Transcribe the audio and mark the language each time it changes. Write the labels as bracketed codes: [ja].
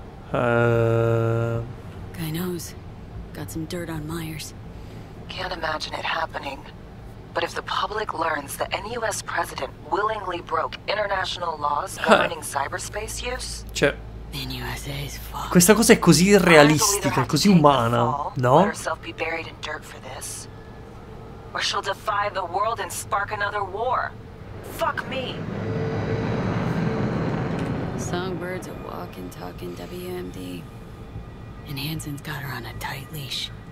[en] Guy knows. Got some dirt on Myers. Can't imagine it happening. But if the public learns that any US president willingly broke international laws governing cyberspace use, USA is fucked. [it] Questa cosa è così irrealistica, così umana, no? [en] Let herself be buried in dirt for this. Or she'll defy the world and spark another war. Fuck me. Songbird's a walking, talking WMD. And Hansen's got her on a tight leash.